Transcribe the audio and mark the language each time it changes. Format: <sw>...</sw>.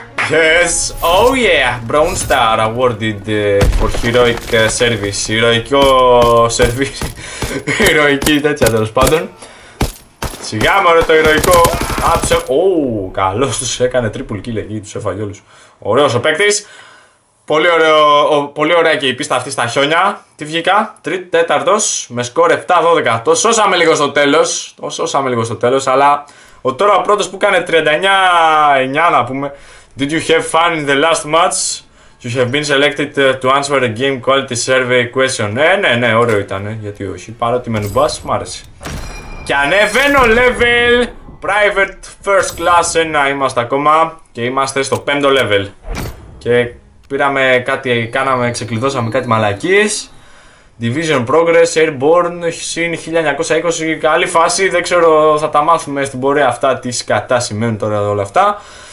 <en>Yes, oh yeah, Brown Star awarded for heroic service.</en> <el>Ηρωικό service. Ηρωική τέτοια τέλος πάντων. Σιγά μωρέ το ηρωικό. Άψε, καλός τους έκανε triple kill εκεί, τους έφαγε όλους. Ωραίος ο παίκτης. Πολύ ωραίο, πολύ ωραία και η πίστα αυτή στα χιόνια. Τι βγήκα, τρίτη, τέταρτος. Με σκορ 7-12, το σώσαμε λίγο στο τέλος. Το σώσαμε λίγο στο τέλος, αλλά ο τώρα ο πρώτος που κάνε 39-9 να πούμε.</el> <en>Did you have fun in the last match? You have been selected to answer a game quality survey question.</en> <el>Ναι, ωραίο ήταν, γιατί όχι. Παρότι με νουμπάς, μ' άρεσε. Και ανεβαίνω level, private first class 1 είμαστε ακόμα και είμαστε στο 5ο level. Και πήραμε κάτι, κάναμε, ξεκλειδώσαμε κάτι μαλακίες. Division Progress, Airborne, συν 1920, καλή φάση, δεν ξέρω, θα τα μάθουμε στην πορεία αυτά τι σκατά σημαίνουν τώρα όλα αυτά.</el>